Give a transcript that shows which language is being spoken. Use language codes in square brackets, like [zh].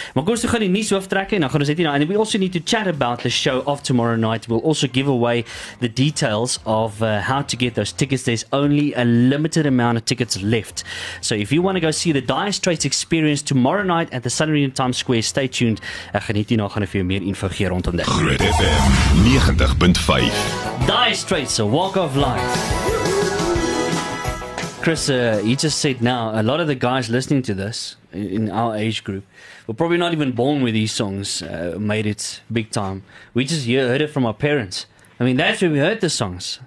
[af] Maar kom ons gaan die nuus hoftrek en dan gaan ons net nou. [en] And we also need to chat about the show of tomorrow night. We'll also give away the details of how to get those tickets. There's only a limited amount of tickets left. So if you want to go see the Dire Straits Experience tomorrow night at the Sun Arena Times Square, stay tuned. [af] Ek gaan net nou gaan vir jou meer info gee rondom dit. Groot FM 90.5. [en] Dire Straits, a walk of life. Chris, you just said now, a lot of the guys listening to this in our age group were probably not even born with these songs, made it big time. We just heard it from our parents. I mean, that's where we heard the songs.